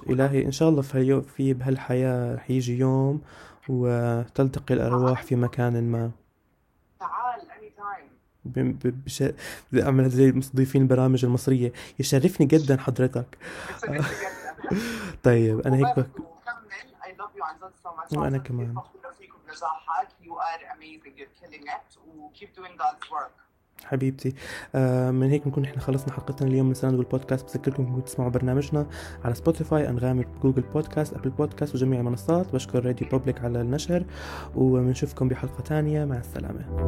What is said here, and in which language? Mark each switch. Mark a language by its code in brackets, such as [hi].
[ar] الهي ان شاء الله في هاليوم في بهالحياة رح يجي يوم وتلتقي الارواح في مكان ما. تعال اني تايم بعمل زي مستضيفين البرامج المصرية، يشرفني جدا حضرتك. طيب أنا هيك وبس وكمل. [en] I love you [ar] عن جد [en] so much، [ar] وأنا عن جد كمان كيف أفضل فيكم نجاحك. [en] You are amazing, you're killing it و keep doing God's work [ar] حبيبتي. من هيك بنكون احنا خلصنا حلقتنا اليوم من ساند والبودكاست. بذكركم انكم تسمعوا برنامجنا على سبوتيفاي، انغامي، جوجل بودكاست، ابل بودكاست وجميع المنصات. بشكر راديو بوبليك على النشر، وبنشوفكم بحلقه تانية. مع السلامه.